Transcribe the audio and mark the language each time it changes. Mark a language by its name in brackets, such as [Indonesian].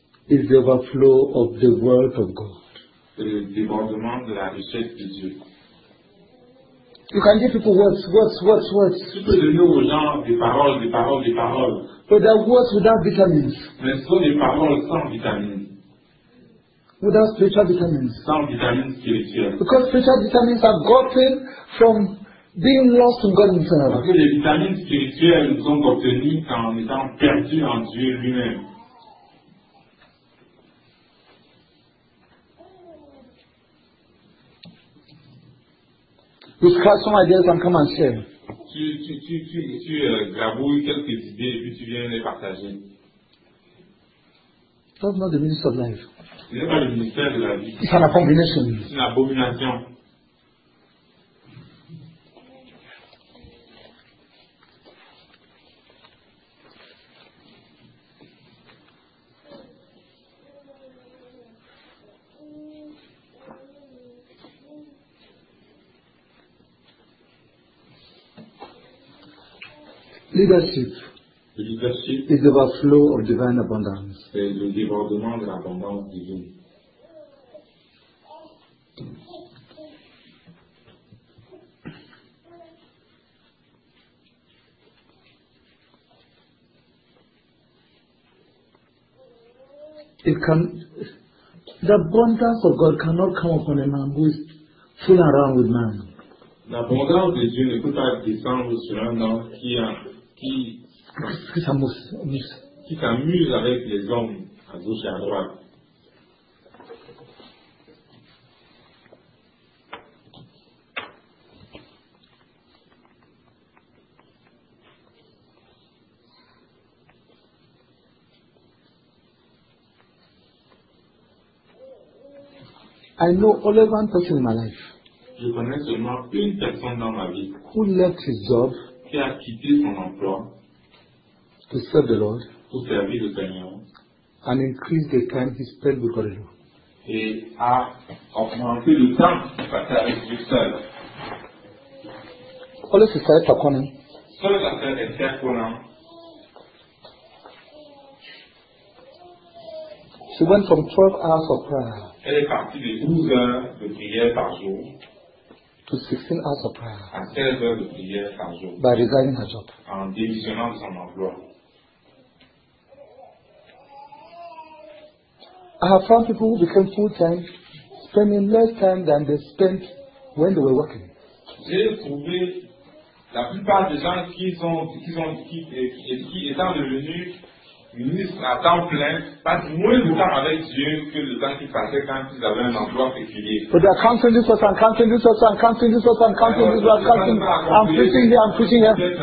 [English] Is the overflow of the word of God. [French] Le débordement de la richesse de Dieu. [English] You can give people words, words, words, words. [French] Tu peux donner aux gens des paroles, des paroles, des paroles. [English] But they are words without vitamins. [French] Mais ce sont des paroles sans vitamines. [English] Without spiritual vitamins. [French] Sans vitamines spirituelles. [English] Because spiritual vitamins are gotten from being lost in God himself. [French] Parce que les vitamines spirituelles nous sont obtenues en étant perdus en Dieu lui-même. [English] You scratch some ideas and come and share. [French] Tu grabouilles quelques idées et puis tu viens les partager. [English] That's not the ministry of life. [French] Ce n'est pas le ministère de la vie. [English] It's an abomination. [French] C'est une abomination. [English] leadership, the leadership is the overflow of divine abundance. [French] C'est le débordement de l'abondance divine. [English] It can, the abundance of God cannot come upon a man who is fooling around with man. [French] L'abondance de Dieu ne peut pas descendre sur un homme qui s'amuse avec les hommes à gauche et à droite. [English] I know only one person in my life. [French] Je connais seulement une personne dans ma vie. [English] Who left his job? [French] Qui a quitté son emploi? [English] To serve the Lord. [French] Pour servir le Seigneur. [English] And increase the time he spent with God alone. [French] Et a augmenté le temps qu'il passait avec Dieu seul. Quelle est cette affaire qu'on a? Quelle est cette affaire qu'on a? [English] She went from 12 hours of prayer. [French] Elle est partie de 12 heures de prière par jour. [English] To 16 hours of prayer. [French] À 16 heures de prière par jour. [English] By resigning her job. [French] En démissionnant de son emploi. [English] I have found people who became full time, spending less time than they spent when they were working. [French] J'ai trouvé la plupart des gens qui étant devenus ministre à temps plein passe moins de temps avec Dieu que le temps qu'il passait quand ils avaient un emploi particulier. [English] But they are counting this as I'm counting this as I'm preaching here.